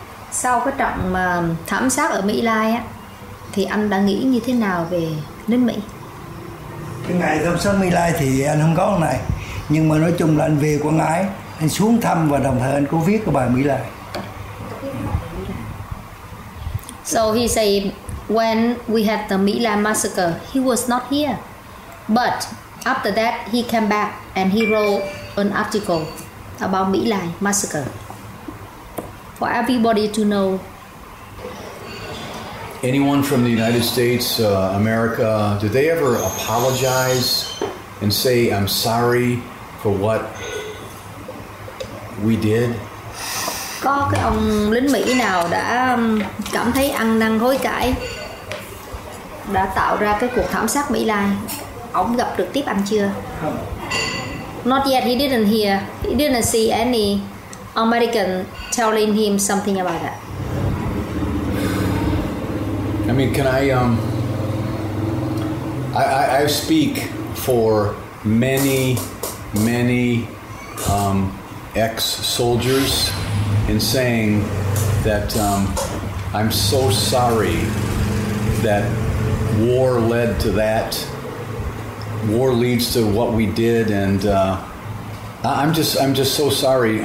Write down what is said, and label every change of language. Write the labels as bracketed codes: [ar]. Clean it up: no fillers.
[vi] Sau cái trận thảm sát ở My Lai á, thì anh đã nghĩ như thế nào về nước Mỹ? Cái ngày thảm sát My Lai thì anh không có này, nhưng mà nói chung là anh về Quảng Ngãi, anh xuống thăm và đồng thời anh có viết cái bài My Lai. [en] So he say when we had the My Lai massacre, he was not here, but after that he came back and he wrote an article about My Lai massacre for everybody to know. Anyone from the United States, America, did they ever apologize and say, I'm sorry for what we did? [vi] Có cái ông lính Mỹ nào đã cảm thấy ăn năn hối cải, đã tạo ra cái cuộc thảm sát My Lai, ông gặp trực tiếp anh chưa? [en] Not yet, he didn't hear. He didn't see any American telling him something about that. I mean, can I, I speak for many, many ex-soldiers in saying that I'm so sorry that war led to that, war leads to what we did, and I'm just so sorry.